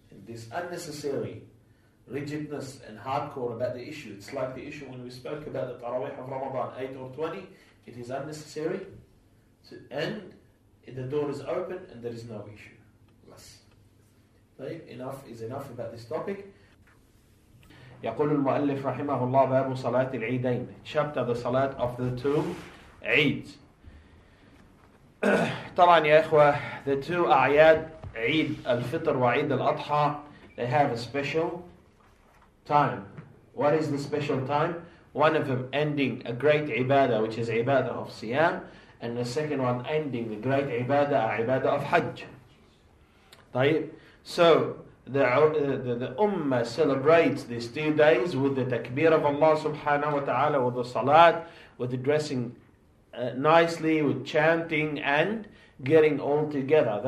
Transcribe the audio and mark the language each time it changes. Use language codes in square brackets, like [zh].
[en] this unnecessary rigidness and hardcore about the issue. It's like the issue when we spoke about the Taraweeh of Ramadan, 8 or 20. It is unnecessary. So, and the door is open and there is no issue. Less. طيب, enough is enough about this topic. [ar] يقول المؤلف رحمه الله باب صلاة العيدين. [en] Chapter, the Salat of the Two Eids. [ar] طبعا يا إخوة, [en] the two أعياد, [ar] عيد الفطر وعيد الأضحى, [en] they have a special time. What is the special time? One of them ending a great ibadah, which is ibadah of siyam, and the second one ending the great ibadah, ibadah of hajj. [ar] طيب. [en] So the ummah celebrates these 2 days with the takbir of Allah subhanahu wa ta'ala, with the salat, with the dressing nicely, with chanting and getting all together.